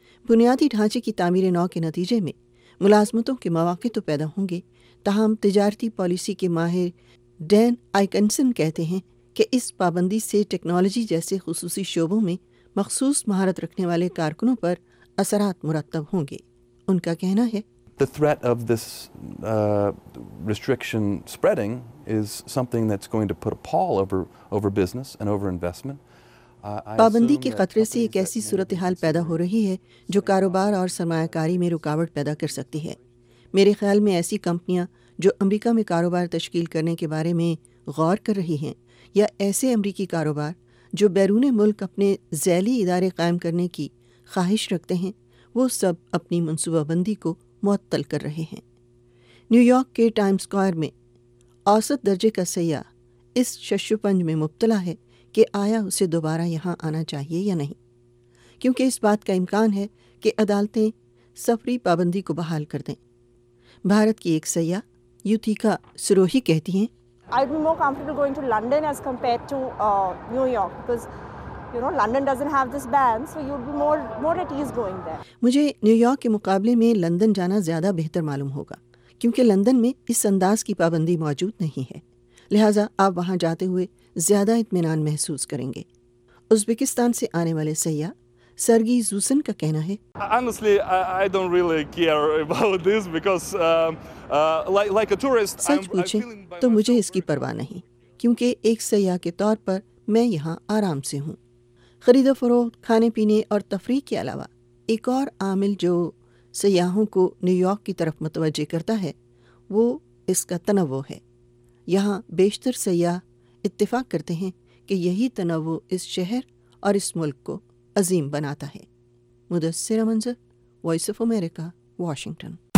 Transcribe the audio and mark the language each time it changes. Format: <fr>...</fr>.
<ur>بنیادی ڈھانچے کی تعمیر نو کے نتیجے میں ملازمتوں کے مواقع تو پیدا ہوں گے، تاہم تجارتی پالیسی کے ماہر ڈین آئیکنسن کہتے ہیں کہ اس پابندی سے ٹیکنالوجی جیسے خصوصی شعبوں میں مخصوص مہارت رکھنے والے کارکنوں پر اثرات مرتب ہوں گے۔ ان کا کہنا ہے،</ur> <en>The threat of this restriction spreading is something that's going to put a pall over business and over investment.</en> <ur>پابندی کے خطرے سے ایک ایسی صورتحال پیدا ہو رہی ہے جو کاروبار اور سرمایہ کاری میں رکاوٹ پیدا کر سکتی ہے۔ میرے خیال میں ایسی کمپنیاں جو امریکہ میں کاروبار تشکیل کرنے کے بارے میں غور کر رہی ہیں، یا ایسے امریکی کاروبار جو بیرون ملک اپنے ذیلی ادارے قائم کرنے کی خواہش رکھتے ہیں، وہ سب اپنی منصوبہ بندی کو معطل کر رہے ہیں۔ نیو یارک کے ٹائم اسکوائر میں اوسط درجے کا سیاح اس شش و پنج میں مبتلا ہے کہ آیا اسے دوبارہ یہاں آنا چاہیے یا نہیں، کیونکہ اس بات کا امکان ہے کہ عدالتیں سفری پابندی کو بحال کر دیں۔ بھارت کی ایک سیاح یوتیکا سروہی کہتی ہیں،</ur> <en>I'd be more comfortable going to London as compared to New York because London doesn't have this ban, so you'd be more at ease going there.</en> <ur>مجھے نیو یارک کے مقابلے میں لندن جانا زیادہ بہتر معلوم ہوگا، کیونکہ لندن میں اس انداز کی پابندی موجود نہیں ہے، لہٰذا آپ وہاں جاتے ہوئے زیادہ اطمینان محسوس کریں گے۔ ازبکستان سے آنے والے سیاح سرگی زوسن کا کہنا ہے،</ur> <en>Honestly, I don't really care about this because like a tourist,</en> <ur>سچ پوچھیں تو مجھے اس کی پرواہ نہیں، کیونکہ ایک سیاح کے طور پر میں یہاں آرام سے ہوں۔ خرید و فروخت، کھانے پینے اور تفریح کے علاوہ ایک اور عامل جو سیاحوں کو نیو یارک کی طرف متوجہ کرتا ہے، وہ اس کا تنوع ہے۔ یہاں بیشتر سیاح اتفاق کرتے ہیں کہ یہی تنوع اس شہر اور اس ملک کو عظیم بناتا ہے۔ مدثر منظر، وائس آف امریکہ، واشنگٹن۔</ur>